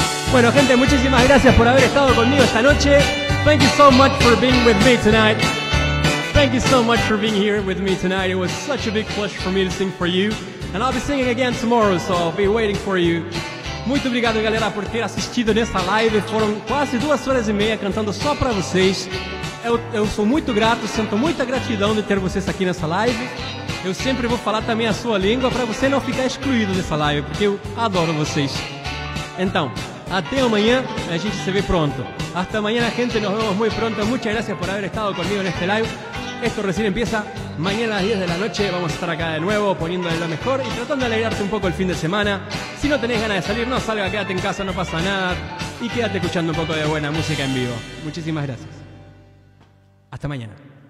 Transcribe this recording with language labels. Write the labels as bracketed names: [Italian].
[Spanish] Bueno, gente, muchísimas gracias por haber estado conmigo esta noche. [English] Thank you so much for being with me tonight. Thank you so much for being here with me tonight. It was such a big pleasure for me to sing for you. And I'll be singing again tomorrow, so I'll be waiting for you. [Portuguese] Muito obrigado, galera, por ter assistido nessa live. Foram quase 2 horas e meia cantando só pra vocês. Eu sou muito grato, sinto muita gratidão de ter vocês aqui nessa live. Eu sempre vou falar também a sua língua pra você não ficar excluído dessa live, porque eu adoro vocês. Então, até amanhã, a gente se vê pronto. [Spanish] Hasta mañana, gente, nos vemos muy pronto. Muchas gracias por haber estado conmigo en este live. Esto recién empieza. Mañana a las 10 de la noche vamos a estar acá de nuevo poniéndole lo mejor y tratando de alegrarte un poco el fin de semana. Si no tenés ganas de salir, no salga, quédate en casa, no pasa nada. Y quédate escuchando un poco de buena música en vivo. Muchísimas gracias. Hasta mañana.